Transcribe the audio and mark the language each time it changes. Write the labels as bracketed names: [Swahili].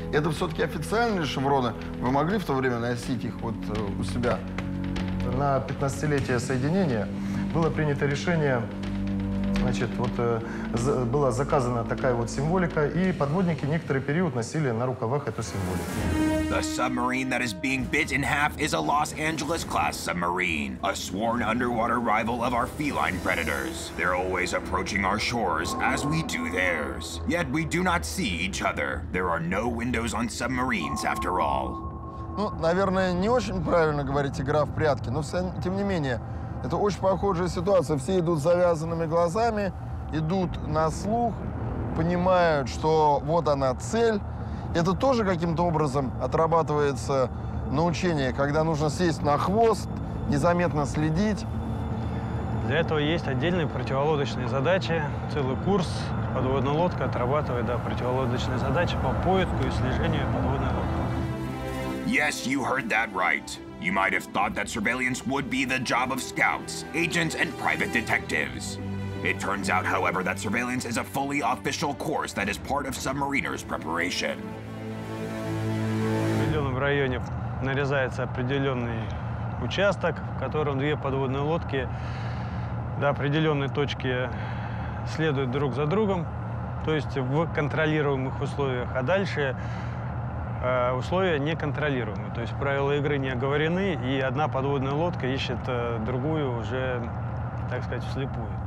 [Russian] Это все-таки официальные шевроны? Вы могли в то время носить их вот у себя? На 15-летие соединения было принято решение, значит, вот была заказана такая вот символика, и подводники некоторый период носили на рукавах эту символику. [English] The submarine that is being bit in half is a Los Angeles-class submarine, a sworn underwater rival of our feline predators. They're always approaching our shores, as we do theirs. Yet we do not see each other. There are no windows on submarines, after all. [Russian] Ну, наверное, не очень правильно говорить «игра в прятки», но все, тем не менее, это очень похожая ситуация. Все идут с завязанными глазами, идут на слух, понимают, что вот она цель. Это тоже каким-то образом отрабатывается на учении, когда нужно сесть на хвост, незаметно следить. Для этого есть отдельные противолодочные задачи. Целый курс подводная лодка отрабатывает, да, противолодочные задачи по поиску и слежению подводной лодки. [English] Yes, you heard that right. You might have thought that surveillance would be the job of scouts, agents, and private detectives. It turns out, however, that surveillance is a fully official course that is part of submariners' preparation. [Russian] В определенном районе нарезается определенный участок, в котором две подводные лодки до определенной точки следуют друг за другом, то есть в контролируемых условиях, а дальше условия неконтролируемые, то есть правила игры не оговорены, и одна подводная лодка ищет другую уже, так сказать, вслепую.